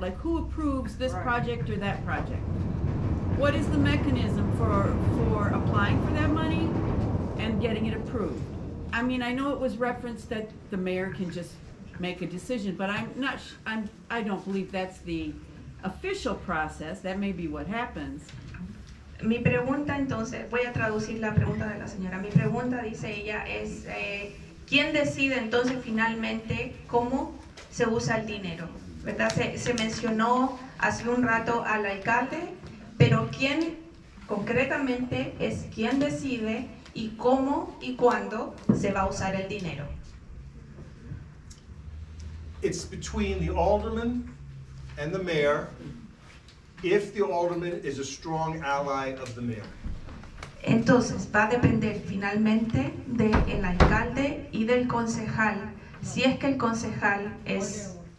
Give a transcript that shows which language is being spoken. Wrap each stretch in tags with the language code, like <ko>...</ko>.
<en>Like, who approves this project or that project? What is the mechanism for applying for that money and getting it approved? I mean, I know it was referenced that the mayor can just make a decision, but I don't believe that's the official process. That may be what happens.</en> <es>Mi pregunta entonces, voy a traducir la pregunta de la señora. Mi pregunta, dice ella, es ¿quién decide entonces finalmente cómo se usa el dinero? ¿Verdad? Se mencionó hace un rato al alcalde, pero ¿quién concretamente es quien decide y cómo y cuándo se va a usar el dinero?</es> <en>It's between the alderman and the mayor, if the alderman is a strong ally of the mayor.</en> <es>Entonces, va a depender finalmente del alcalde y del concejal, si es que el concejal es...</es>